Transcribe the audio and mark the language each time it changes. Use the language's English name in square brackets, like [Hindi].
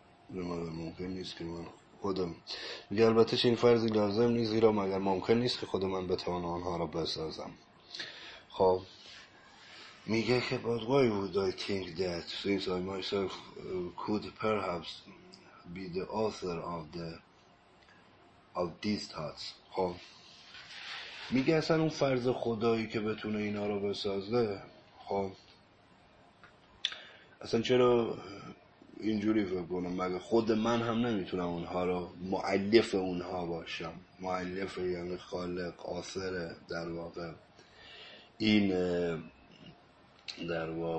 [Persian] ممکن نیست که من خودم میگه البته چنین فرضی لازم نیست زیرا مگر ممکن نیست که خودم من بتوانم آنها را بسازم خب میگه که [English] but why would I think that since I myself could perhaps be the author of the of these thoughts. [Persian] خب میگه اصلا اون فرض خدایی که بتونه اینا رو بسازه، خب اصلا چرا اینجوری فکر کنم؟ مگه خود من هم نمیتونم اونها رو مؤلف اونها باشم؟ مؤلف یعنی خالق، آثر در واقع این در